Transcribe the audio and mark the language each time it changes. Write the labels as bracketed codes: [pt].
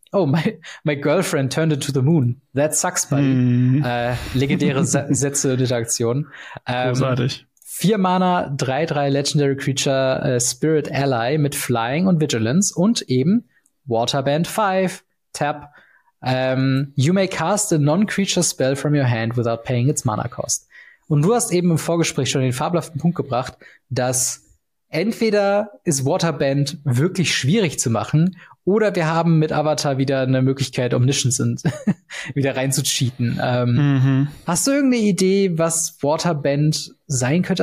[en] Oh, my girlfriend turned into the moon. That sucks, buddy. [de] Legendäre Sätze und Interaktion. Großartig. 4 Mana, 3-3 Legendary Creature, Spirit Ally mit Flying und Vigilance und eben Waterband 5. Tap. [en] You may cast a non-creature spell from your hand without paying its mana cost. [de] Und du hast eben im Vorgespräch schon den fabelhaften Punkt gebracht, dass entweder ist Waterband wirklich schwierig zu machen oder wir haben mit Avatar wieder eine Möglichkeit, Omniscience wieder reinzucheaten. Hast du irgendeine Idee, was Waterband sein könnte?